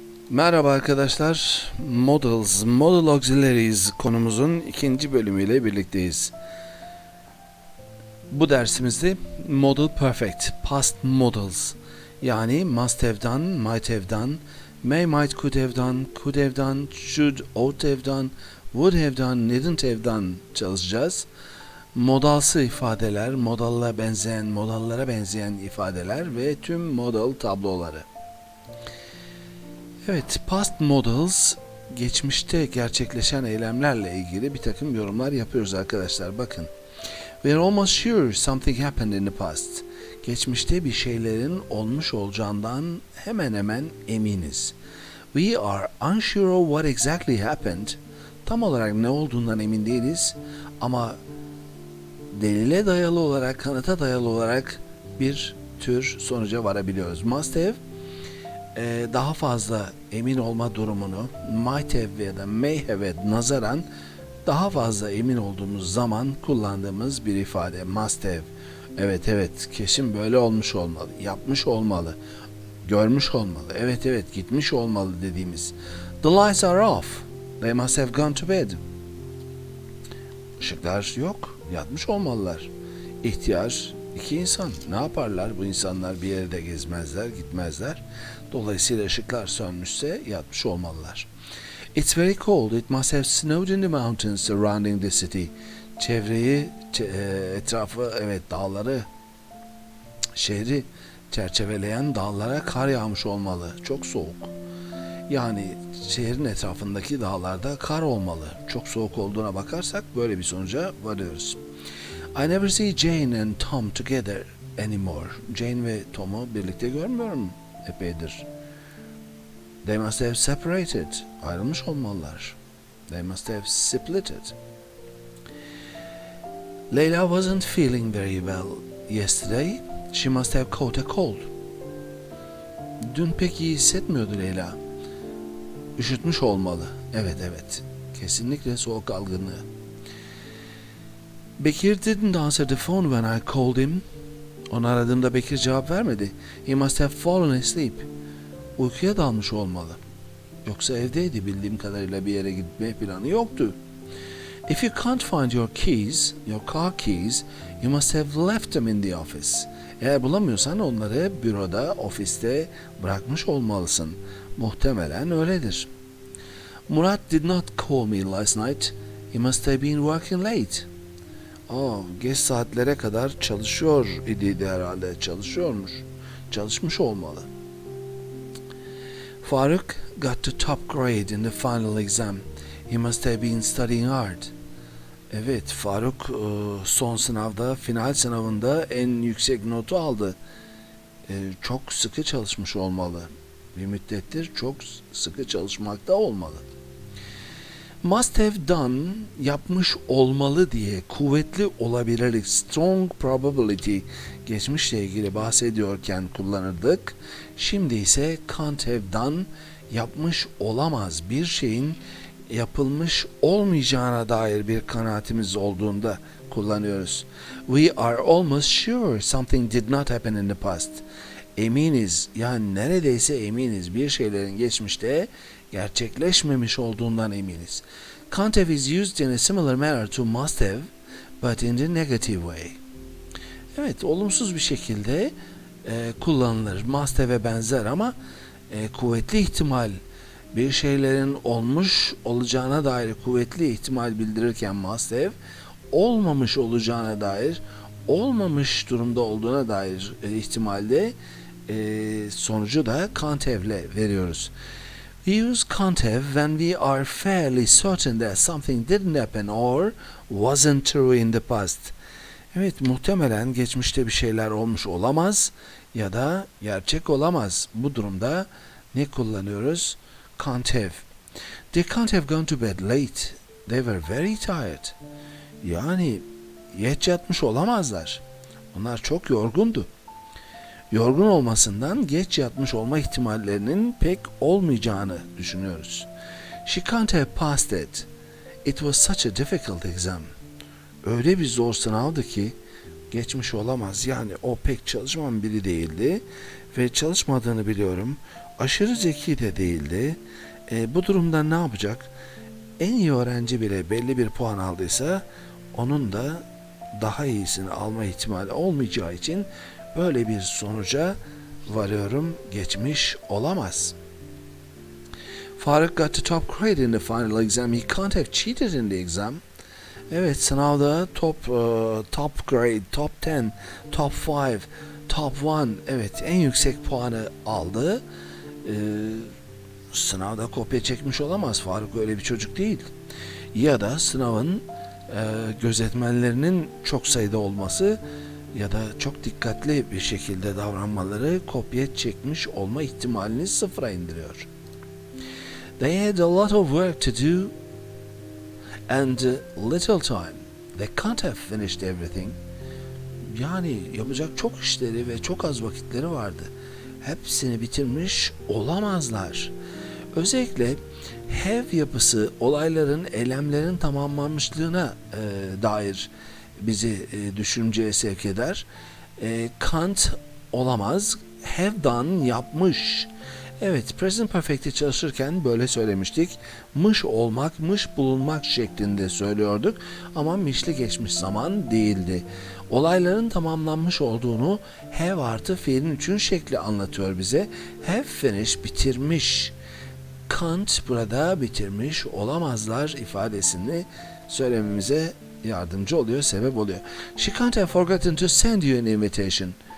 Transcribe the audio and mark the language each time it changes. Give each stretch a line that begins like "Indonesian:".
Turkish: Merhaba arkadaşlar, Models, Model Auxiliaries konumuzun ikinci bölümüyle birlikteyiz. Bu dersimizde Model Perfect, Past Models, yani Must Have Done, Might Have Done, May Might Could Have Done, Could Have Done, Should Ought Have Done, Would Have Done, Needn't Have Done çalışacağız. Modalsı ifadeler, modallara benzeyen, modallara benzeyen ifadeler ve tüm model tabloları. Evet, past models, geçmişte gerçekleşen eylemlerle ilgili bir takım yorumlar yapıyoruz arkadaşlar, bakın.
English: We are almost sure something happened in the past.
Turkish: Geçmişte bir şeylerin olmuş olacağından hemen hemen eminiz.
English: We are unsure of what exactly happened.
Turkish: Tam olarak ne olduğundan emin değiliz ama delile dayalı olarak, kanıta dayalı olarak bir tür sonuca varabiliyoruz. Must have. Daha fazla emin olma durumunu might have ya da may have nazaran daha fazla emin olduğumuz zaman kullandığımız bir ifade must have. Evet evet, kesin böyle olmuş olmalı, yapmış olmalı, görmüş olmalı, evet evet gitmiş olmalı dediğimiz.
English: The lights are off, they must have gone to bed.
Turkish: Işıklar yok, yatmış olmalılar. İhtiyar iki insan, ne yaparlar bu insanlar, bir yere de gezmezler, gitmezler. Dolayısıyla ışıklar sönmüşse yatmış olmalılar.
English: It's very cold. It must have snowed in the mountains surrounding the city.
Turkish: Çevreyi, etrafı, evet dağları, şehri çerçeveleyen dağlara kar yağmış olmalı. Çok soğuk. Yani şehrin etrafındaki dağlarda kar olmalı. Çok soğuk olduğuna bakarsak böyle bir sonuca varıyoruz.
English: I never see Jane and Tom together anymore.
Turkish: Jane ve Tom'u birlikte görmüyorum. Epeydir.
English: They must have separated.
Turkish: Ayrılmış olmalılar.
English: They must have splitted. Leyla wasn't feeling very well yesterday. She must have caught a cold.
Turkish: Dün pek iyi hissetmiyordu Leyla. Üşütmüş olmalı. Evet evet. Kesinlikle soğuk algınlığı.
English: Bekir didn't answer the phone when I called him.
Turkish: Onu aradığımda Bekir cevap vermedi.
English: He must have fallen asleep.
Turkish: Uykuya dalmış olmalı. Yoksa evdeydi bildiğim kadarıyla, bir yere gitme planı yoktu.
English: If you can't find your keys, your car keys, you must have left them in the office.
Turkish: Eğer bulamıyorsan onları büroda, ofiste bırakmış olmalısın. Muhtemelen öyledir.
English: Murat did not call me last night. He must have been working late.
Turkish: Geç saatlere kadar çalışıyor idiydi herhalde. Çalışıyormuş. Çalışmış olmalı.
English: Faruk got the top grade in the final exam. He must have been studying hard.
Turkish: Evet, Faruk son sınavda, final sınavında en yüksek notu aldı. Çok sıkı çalışmış olmalı. Bir müddettir çok sıkı çalışmakta olmalı. Must have done, yapmış olmalı diye kuvvetli olabilirlik, strong probability geçmişle ilgili bahsediyorken kullanırdık. Şimdi ise can't have done, yapmış olamaz bir şeyin yapılmış olmayacağına dair bir kanaatimiz olduğunda kullanıyoruz.
English: We are almost sure something did not happen in the past.
Turkish: Eminiz, yani neredeyse eminiz bir şeylerin geçmişte gerçekleşmemiş olduğundan eminiz.
English: Can't have is used in a similar manner to must have, but in the negative way.
Turkish: Evet, olumsuz bir şekilde kullanılır. Must have'e benzer ama kuvvetli ihtimal, bir şeylerin olmuş olacağına dair kuvvetli ihtimal bildirirken must have, olmamış olacağına dair, olmamış durumda olduğuna dair ihtimalde sonucu da can't have'le veriyoruz.
English: We use can't have when we are fairly certain that something didn't happen or wasn't true in the past.
Turkish: Evet, muhtemelen geçmişte bir şeyler olmuş olamaz ya da gerçek olamaz. Bu durumda ne kullanıyoruz? Can't have.
English: They can't have gone to bed late. They were very tired.
Turkish: Yani geç yatmış olamazlar. Onlar çok yorgundu. Yorgun olmasından geç yatmış olma ihtimallerinin pek olmayacağını düşünüyoruz.
English: She can't have passed it. It was such a difficult exam.
Turkish: Öyle bir zor sınavdı ki geçmiş olamaz. Yani o pek çalışmayan biri değildi ve çalışmadığını biliyorum. Aşırı zeki de değildi. Bu durumda ne yapacak? En iyi öğrenci bile belli bir puan aldıysa onun da daha iyisini alma ihtimali olmayacağı için böyle bir sonuca varıyorum. Geçmiş olamaz.
English: Faruk got the top grade in the final exam. He can't have cheated in the exam. Evet, sınavda top grade, top 10, top 5, top 1.
Turkish: Evet, en yüksek puanı aldı. Sınavda kopya çekmiş olamaz. Faruk öyle bir çocuk değil. Ya da sınavın gözetmenlerinin çok sayıda olması ya da çok dikkatli bir şekilde davranmaları kopya çekmiş olma ihtimalini sıfıra indiriyor.
English: They had a lot of work to do and little time. They can't have finished everything.
Turkish: Yani yapacak çok işleri ve çok az vakitleri vardı. Hepsini bitirmiş olamazlar. Özellikle have yapısı olayların, eylemlerin tamamlanmışlığına dair bizi düşünceye sevk eder. Can't olamaz, have done yapmış. Evet, present perfect'i çalışırken böyle söylemiştik. Mış olmak, mış bulunmak şeklinde söylüyorduk. Ama mişli geçmiş zaman değildi. Olayların tamamlanmış olduğunu have artı fiilin üçüncü şekli anlatıyor bize. Have finished, bitirmiş. Can't burada bitirmiş olamazlar ifadesini söylememize yardımcı oluyor, sebep oluyor.
English: She can't have forgotten to send you an invitation.